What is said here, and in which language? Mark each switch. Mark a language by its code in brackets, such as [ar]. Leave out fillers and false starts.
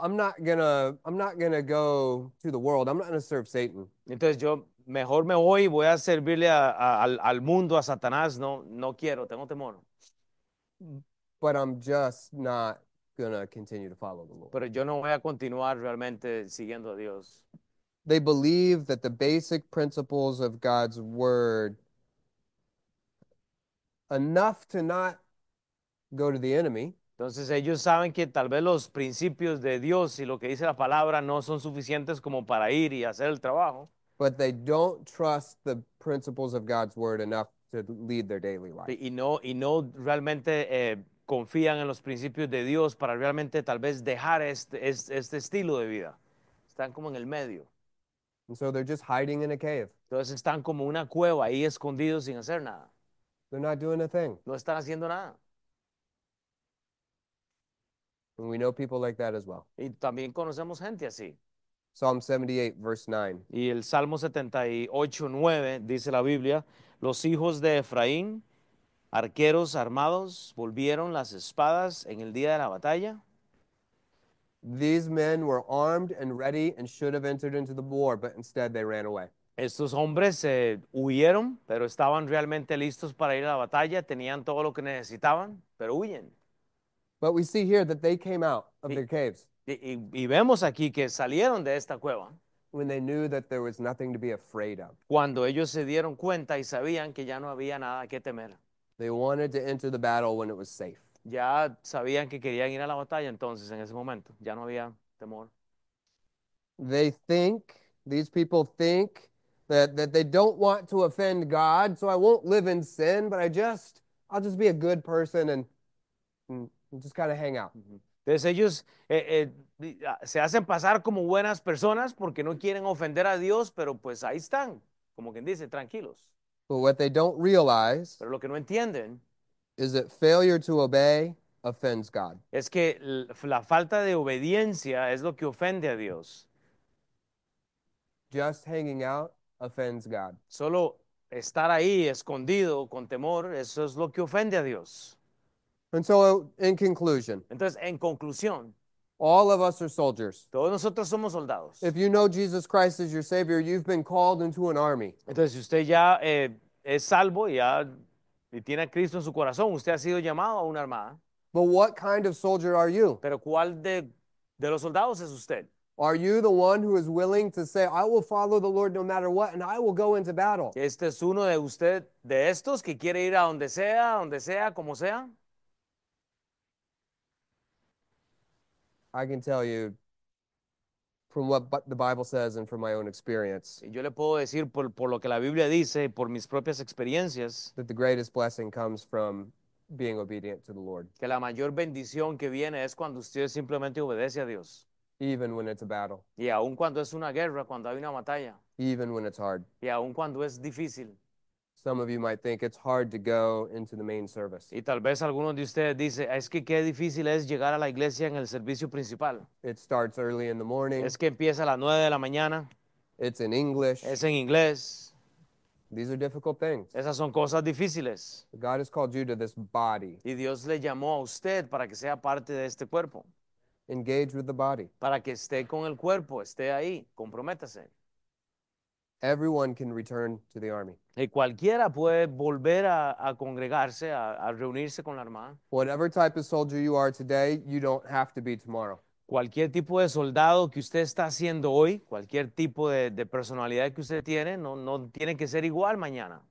[en] I'm not gonna go to the world. I'm not gonna serve Satan. [es] Entonces yo mejor me voy a servirle al mundo, a Satanás. No, no quiero, tengo temor. [en] But I'm just not gonna continue to follow the Lord. [es] Pero yo no voy a continuar realmente siguiendo a Dios. [en] They believe that the basic principles of God's word enough to not go to the enemy. [es] Entonces ellos saben que tal vez los principios de Dios y lo que dice la palabra no son suficientes como para ir y hacer el trabajo. [en] But they don't trust the principles of God's word enough to lead their daily life. [es] Y no realmente confían en los principios de Dios para realmente tal vez dejar este estilo de vida. Están como en el medio. [en] And so they're just hiding in a cave. [es] Entonces están como una cueva ahí escondidos sin hacer nada. [en] They're not doing a thing. [es] No están haciendo nada. [en] And we know people like that as well. [es] Y también conocemos gente así. [en] Psalm 78, verse 9. [es] Y el Salmo 78:9 dice la Biblia, los hijos de Efraín, arqueros armados, volvieron las espadas en el día de la batalla. [en] These men were armed and ready and should have entered into the war, but instead they ran away. [es] Estos hombres se huyeron, pero estaban realmente listos para ir a la batalla, tenían todo lo que necesitaban, pero huyen. [en] But we see here that they came out of their caves. [es] Y vemos aquí que salieron de esta cueva. [en] When they knew that there was nothing to be afraid of. [es] Cuando ellos se dieron cuenta y sabían que ya no había nada que temer. [en] They wanted to enter the battle when it was safe. [es] Ya sabían que querían ir a la batalla entonces en ese momento. Ya no había temor. [en] They think, these people think, that they don't want to offend God, so I won't live in sin, but I'll just be a good person and just kind of hang out. [es] Entonces ellos se hacen pasar como buenas personas porque no quieren ofender a Dios, pero pues ahí están, como quien dice, tranquilos. [en] But what they don't realize [es] Pero lo que no entienden [en] is that failure to obey offends God. [es] es que la falta de obediencia es lo que ofende a Dios. [en] Just hanging out offends God. [es] Solo estar ahí escondido con temor, eso es lo que ofende a Dios. [en] And so, in conclusion, [es] Entonces, en conclusión, [en] all of us are soldiers. [es] Todos nosotros somos soldados. [en] If you know Jesus Christ as your Savior, you've been called into an army. [es] Entonces, si usted ya es salvo y tiene a Cristo en su corazón, usted ha sido llamado a una armada. [en] But what kind of soldier are you? [es] Pero ¿cuál de los soldados es usted? [en] Are you the one who is willing to say, I will follow the Lord no matter what, and I will go into battle? [es] ¿Este es uno de usted, de estos, que quiere ir a donde sea, como sea? [en] I can tell you from what the Bible says and from my own experience [es] Yo le puedo decir por lo que la Biblia dice, por mis propias experiencias, [en] that the greatest blessing comes from being obedient to the Lord. [es] Que la mayor bendición que viene es cuando usted simplemente obedece a Dios. [en] Even when it's a battle. [es] Y aun cuando es una guerra, cuando hay una batalla. [en] Even when it's hard. [es] Y aun cuando es difícil. [en] Some of you might think it's hard to go into the main service. [es] Y tal vez algunos de ustedes dice, es que qué difícil es llegar a la iglesia en el servicio principal. [en] It starts early in the morning. [es] Es que empieza a las 9 de la mañana. [en] It's in English. [es] Es en inglés. [en] These are difficult things. [es] Esas son cosas difíciles. [en] God has called you to this body. [es] Y Dios le llamó a usted para que sea parte de este cuerpo. [en] Engage with the body. [es] Para que esté con el cuerpo, esté ahí, comprométase. [en] Everyone can return to the army. [es] Y cualquiera puede volver a congregarse, a reunirse con la armada. [en] Whatever type of soldier you are today, you don't have to be tomorrow. [es] Cualquier tipo de soldado que usted está haciendo hoy, cualquier tipo de personalidad que usted tiene, no tiene que ser igual mañana.